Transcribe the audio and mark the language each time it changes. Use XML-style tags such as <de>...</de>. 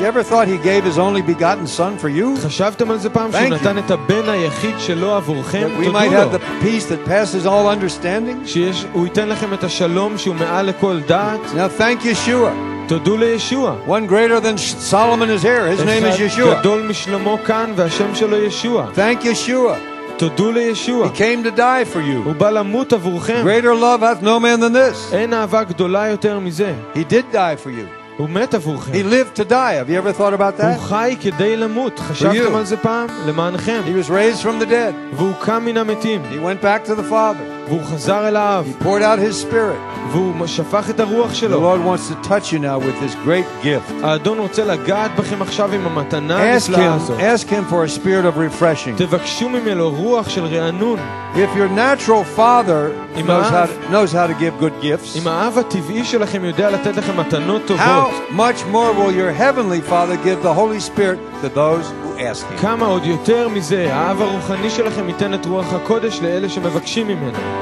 <en>You ever thought he gave his only begotten son for you?</en> <he>חשבתם על זה פעם שהוא נתן את הבן היחיד שלו עבורכם? תודו לו.</he> <en>Peace that passes all understanding.</en> <he>שיש, הוא ייתן לכם את השלום שהוא מעל לכל דעת.</he> <en>Now thank Yeshua.</en> <he>תודו לישועה.</he> <en>One greater than Solomon is here. His name is Yeshua.</en> <he>גדול משלמה כאן והשם שלו ישועה.</he> <en>Thank Yeshua.</en> <he>תודו לישועה.</he> <en>He came to die for you.</en> <he>הוא בא למות עבורכם.</he> <en>Greater love hath no man than this.</en> <he>אין אהבה גדולה יותר מזה.</he> <en>He did die for you.</en> <he>הוא מת עבורכם.</he> <en>He lived to die. Have you ever thought about that?</en> <he>הוא חי כדי למות. חשבתם על זה פעם? למענכם.</he> <en>He was raised from the dead.</en> <he>והוא קם מן המתים.</he> <en>He went back to the Father.</en> <he>והוא חזר אל האב.</he> <en>He poured out his spirit.</en> <he>והוא שפך את הרוח שלו.</he> <en>The Lord wants to touch you now with this great gift.</en> <he>האדון רוצה לגעת בכם עכשיו עם המתנה הנפלאה הזאת.</he> <en>Ask him for a spirit of refreshing.</en> <he>תבקשו ממנו רוח של רענון.</he> <en>If your natural father knows how to give good gifts,</en> <he>אם האב הטבעי שלכם יודע לתת לכם מתנות טובות,</he> <en>how much more will your heavenly father give the Holy Spirit to those who ask him?</en> <he>כמה עוד יותר מזה, האב הרוחני שלכם ייתן את רוח הקודש לאלה שמבקשים ממנו.</he>